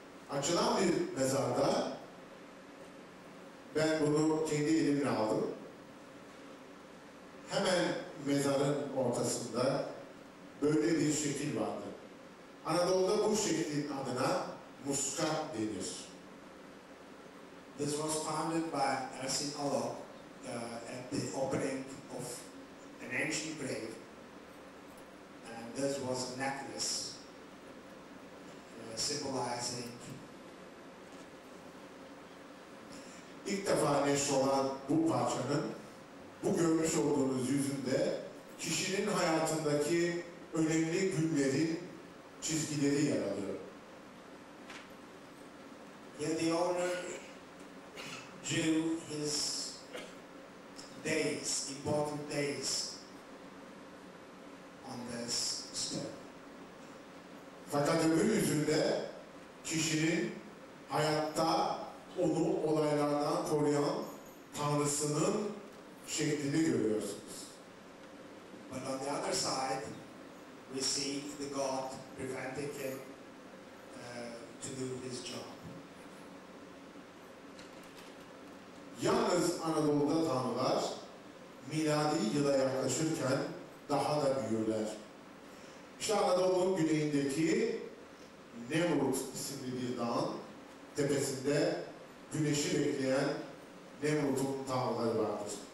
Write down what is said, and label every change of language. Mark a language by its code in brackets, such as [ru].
[tr] Açılan bir mezarda ben bunu kendi elimle aldım. Hemen mezarın ortasında böyle bir şekil vardı. Anadolu'da bu şeklin adına muska denir. [en] This was founded by Ersin Alok at the opening of an ancient grave. And this was a necklace symbolizing. [tr] İlk defa neşe olan bu parçanın bu görmüş olduğunuz yüzünde kişinin hayatındaki önemli günlerin çizgileri yer alıyor. [en] Yet the owner drew his days, important days on this stone. [tr] Fakat öbür yüzünde kişinin hayatta onu olaylardan koruyan tanrısının şeklini görüyorsunuz. [en] But on the other side, we see the God preventing him to do his job. [tr] Yalnız Anadolu'da tanrılar miladi yıla yaklaşırken daha da büyürler. İşte Anadolu'nun güneyindeki Nemrut isimli bir dağın tepesinde güneşi bekleyen Nemrut'un tanrıları vardır.